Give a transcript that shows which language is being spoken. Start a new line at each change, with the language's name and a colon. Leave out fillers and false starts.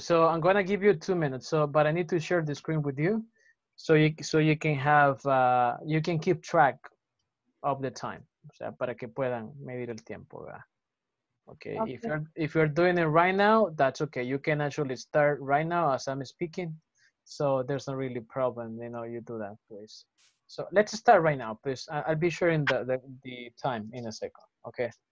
English: So I'm gonna give you 2 minutes, but I need to share the screen with you so you can have, you can keep track of the time.
Spanish: O sea, para que puedan medir el tiempo, ¿verdad?
English: Okay, if you're doing it right now, that's okay. You can actually start right now as I'm speaking. So there's no really problem, you know, you do that, please. So let's start right now, please. I'll be sharing the time in a second, okay?